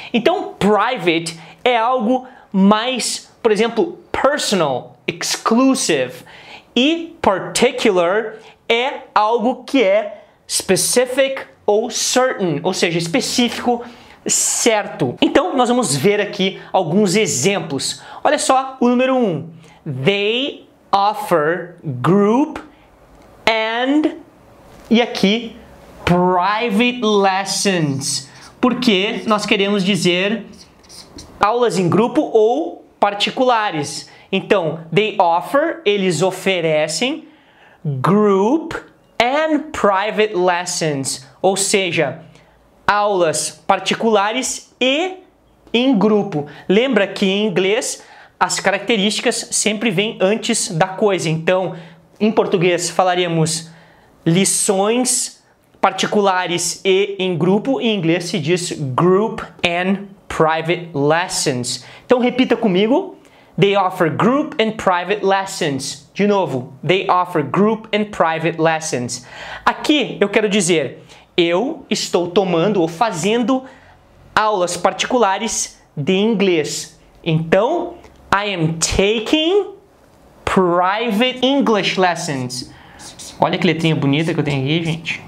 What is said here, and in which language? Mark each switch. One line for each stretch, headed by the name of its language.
Portuguese: Então, private é algo mais, por exemplo, personal, exclusive. E particular é algo que é specific ou certain, ou seja, específico, certo. Então, nós vamos ver aqui alguns exemplos. Olha só o número 1.
English: They offer group and,
Portuguese: e aqui,
English: private lessons.
Portuguese: Porque nós queremos dizer aulas em grupo ou particulares. Então,
English: they offer,
Portuguese: eles oferecem
English: group and private lessons.
Portuguese: Ou seja, aulas particulares e em grupo. Lembra que em inglês as características sempre vêm antes da coisa. Então, em português falaríamos lições particulares e em grupo. Em inglês se diz
English: group and private lessons.
Portuguese: Então, repita comigo.
English: They offer group and private lessons.
Portuguese: De novo,
English: they offer group and private lessons.
Portuguese: Aqui eu quero dizer, eu estou tomando ou fazendo aulas particulares de inglês.
English: Então, I am taking private English lessons.
Portuguese: Olha que letrinha bonita que eu tenho aqui, gente.